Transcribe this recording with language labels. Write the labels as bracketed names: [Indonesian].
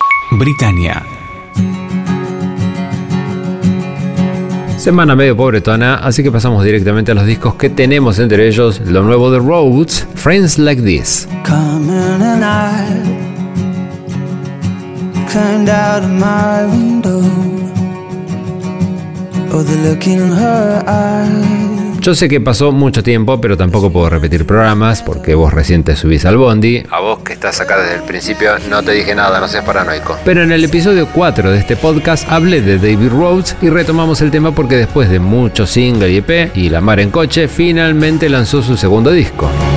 [Spanish] Britania. Semana medio pobretona, así que pasamos directamente a los discos que tenemos, entre ellos lo nuevo de Rhodes, Friends Like This. [English] Climbed out of my window. Oh, the look in her eyes. [Spanish] Yo sé que pasó mucho tiempo, pero tampoco puedo repetir programas porque vos recién te subís al bondi. A vos que estás acá desde el principio, no te dije nada, no seas paranoico. Pero en el episodio 4 de este podcast hablé de David Rhodes y retomamos el tema porque después de mucho single y EP y la mar en coche, finalmente lanzó su segundo disco.